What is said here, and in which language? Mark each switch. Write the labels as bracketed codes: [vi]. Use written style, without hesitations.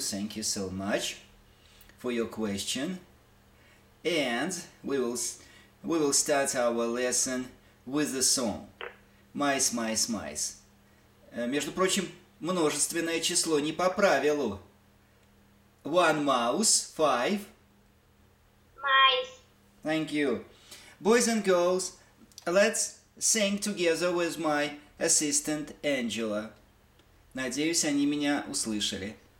[en] Thank you so much for your question. And we will start our lesson with the song. Mice, mice, mice. [ru] Между прочим, множественное число не по правилу. [en] One mouse, five. Thank you. Boys and girls, let's sing together with my assistant Angela. [ru] Надеюсь, они меня услышали.